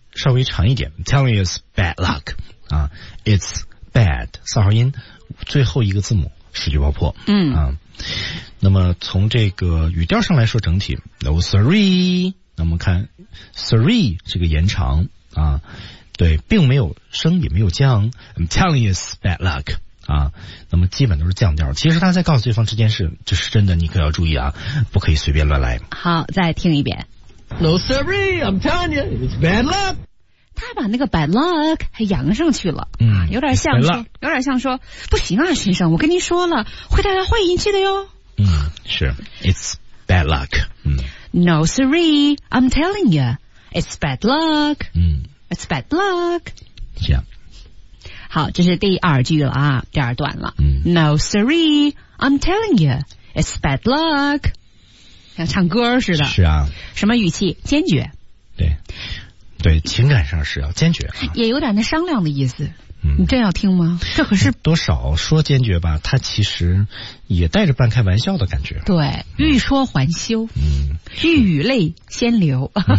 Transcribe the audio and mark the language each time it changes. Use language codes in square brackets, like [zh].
[zh] 稍微长一点 ，telling you is bad luck 啊 ，it's bad 四号音，最后一个字母十句爆破，啊，那么从这个语调上来说，整体 no siree， 那么看 siree 这个延长啊，对，并没有升也没有降 ， [en] I'm telling you is bad luck。 [zh] 啊，那么基本都是降调，其实他在告诉对方这件事就是真的，你可要注意啊，不可以随便乱来。好，再听一遍。 [en] No siree, I'm telling you, it's bad luck. [zh] 他把那个 bad luck 还扬上去了，有点像说，有点像说，不行啊，先生，我跟您说了，会带来坏运气的哟。 [en] 是 ，it's bad luck. No siree, I'm telling you, it's bad luck. It's bad luck. [zh] 这样，好，这是第二句了啊，第二段了。 [en] No siree, I'm telling you, it's bad luck. [zh] 像唱歌似的，是啊，什么语气？坚决，对，对，情感上是要坚决，啊，也有点那商量的意思。嗯，你真要听吗？这可是多少说坚决吧，他其实也带着半开玩笑的感觉。对，欲说还休，欲语泪先流。